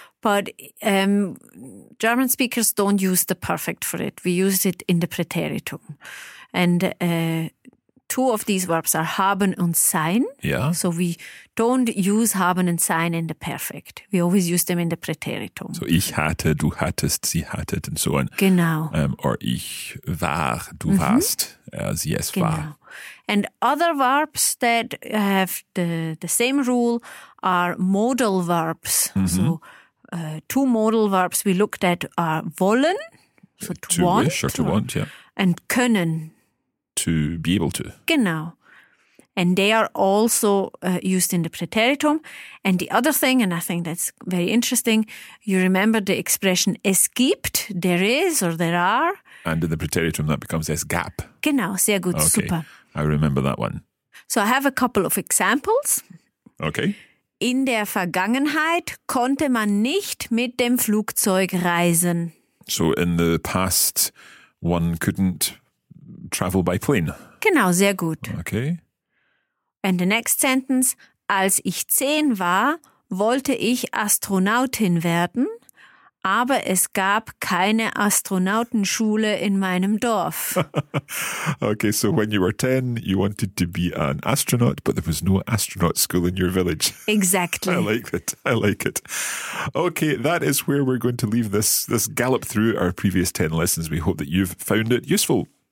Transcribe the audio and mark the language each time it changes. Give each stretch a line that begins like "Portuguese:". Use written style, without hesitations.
English: But German speakers don't use the perfect for it. We use it in the preteritum. And two of these verbs are haben und sein. Yeah. So we don't use haben and sein in the perfect. We always use them in the preteritum.
German: So ich hatte, du hattest, sie hattet and so on. Genau. Or ich war, du warst, sie es genau. war.
English: And other verbs that have the same rule are modal verbs. Mm-hmm. So two modal verbs we looked at are wollen, so to want. Wish or to want, yeah. And können. To be able to.
German: Genau.
English: And they are also used in the preteritum. And the other thing, and I think that's very interesting, you remember the expression es gibt, there is or there are. And in the preteritum that becomes es gab.
German: Genau, sehr gut,
English: okay.
German: Super.
English: I remember that one. So I have a couple of examples. Okay.
German: In der Vergangenheit konnte man nicht mit dem Flugzeug reisen.
English: So in the past, one couldn't travel by plane.
German: Genau, sehr gut.
English: Okay. And the next sentence,
German: als ich 10 war, wollte ich Astronautin werden, aber es gab keine Astronautenschule in meinem Dorf.
English: Okay, so when you were 10, you wanted to be an astronaut, but there was no astronaut school in your village. Exactly. I like it. I like it. Okay, that is where we're going to leave this gallop through our previous 10 lessons. We hope that you've found it useful.